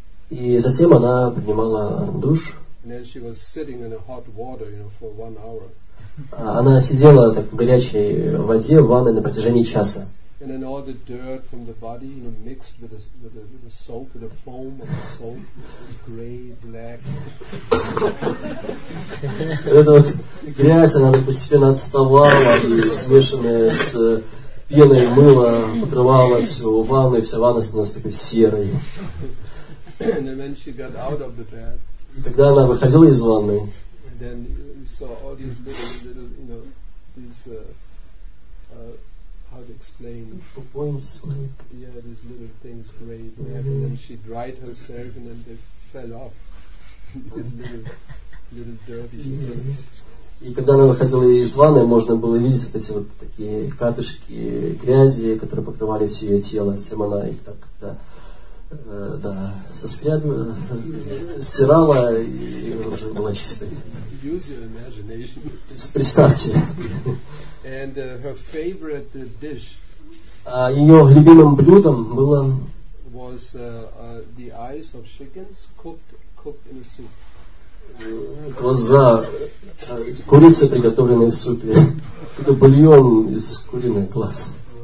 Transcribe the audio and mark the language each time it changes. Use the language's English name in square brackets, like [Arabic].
[Russian] И затем она принимала душ. Она сидела так в горячей воде в ванной на протяжении часа. [English] And then all the dirt from the body, you know, mixed with the soap, with the foam of the soap, gray, black. [Russian] Это вот грязь, она постепенно отставала и смешанная с пеной мыла покрывала всю ванну, и вся ванна становилась такой серой. [English] And then she got out of the bath. [Russian] И когда она выходила из ванны. [English] And then you saw all these little, you know, these. How to explain? For points, like yeah, these little things, gray, black, mm-hmm. And then she dried herself, and then they fell off. These little dirty things. [Russian] И когда она выходила из ванны, можно было видеть вот эти вот такие катышки грязи, которые покрывали все ее тело. Затем она их так, да, стирала и уже была чистой. [English] Use your imagination. [Russian] Представьте. [English] And her favorite dish. [Russian] Ее любимым блюдом было. [English] Was the eyes of chickens cooked in a soup. [Russian] Глаза курицы, приготовленные в супе. Это бульон из куриных глаз.